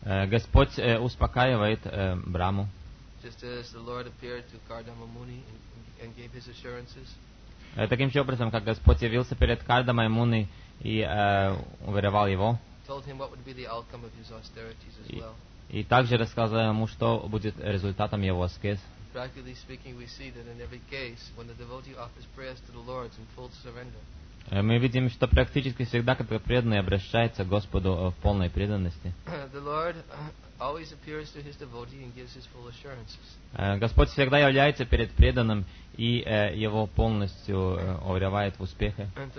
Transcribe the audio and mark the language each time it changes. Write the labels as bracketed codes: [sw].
[ru] Господь успокаивает Брахму. [en] Just as the Lord appeared to Kardama Muni and gave his assurances. [ru] Таким же образом, как Господь явился перед Кардамой Муни и уверовал его. [en] Told him what would be the outcome of his austerities as well. [ru] И также рассказал ему, что будет результатом его аскез. [en] Practically speaking, we see that in every case, when the devotee offers prayers to the Lord in full surrender. [ru] Мы видим, что практически всегда, когда преданный обращается к Господу в полной преданности, Господь всегда является перед преданным и его полностью уверяет в успехе.